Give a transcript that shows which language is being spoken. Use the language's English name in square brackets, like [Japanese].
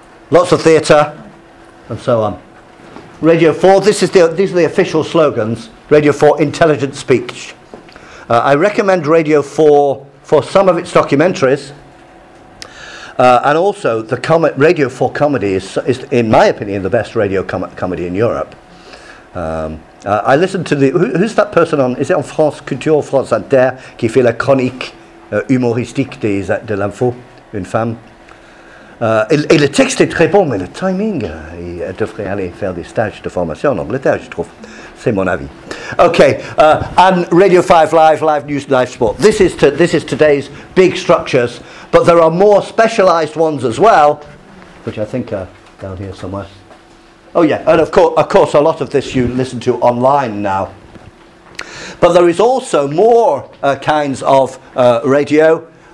[English] Lots of theatre and so on. Radio 4, these are the official slogans. Radio 4, intelligent speech. I recommend Radio 4 for some of its documentaries. And also, the Radio 4 comedy is, in my opinion, the best radio comedy in Europe. I listened to who's that person on? Is it on [French] France Culture, France Inter, qui fait la chronique humoristique de l'info, une femme? Et le texte est très bon, mais le timing, il devrait aller faire des stages de formation en Angleterre, je trouve. C'est mon avis. [English] Okay, and Radio 5 Live News, Live Sport. This is today's big structures, but there are more specialised ones as well, which I think are down here somewhere. Oh yeah, and of course, a lot of this you listen to online now. But there is also more kinds of radio.